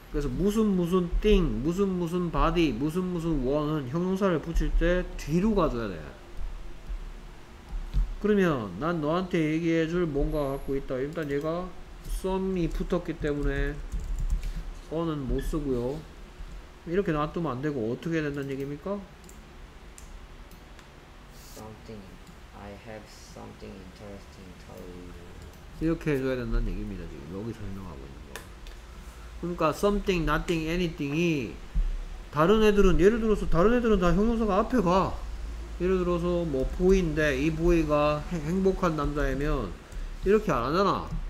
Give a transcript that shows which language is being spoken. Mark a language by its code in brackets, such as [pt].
[ko] 그래서 무슨 무슨 thing, 무슨 무슨 body, 무슨 무슨 one은 형용사를 붙일 때 뒤로 가줘야 돼. 그러면 난 너한테 얘기해 줄 뭔가 갖고 있다. 일단 얘가 some이 붙었기 때문에 one은 못 쓰고요. 이렇게 놔두면 안 되고 어떻게 해야 된다는 얘기입니까? [en] Something. I have something interesting to tell you. [ko] 이렇게 해줘야 된다는 얘기입니다. 지금 여기 설명하고 있는 거. 그러니까 something, nothing, anything이 다른 애들은 예를 들어서 다른 애들은 다 형용사가 앞에 가. 예를 들어서 뭐 보이인데 이 보이가 행복한 남자이면 이렇게 안 하잖아.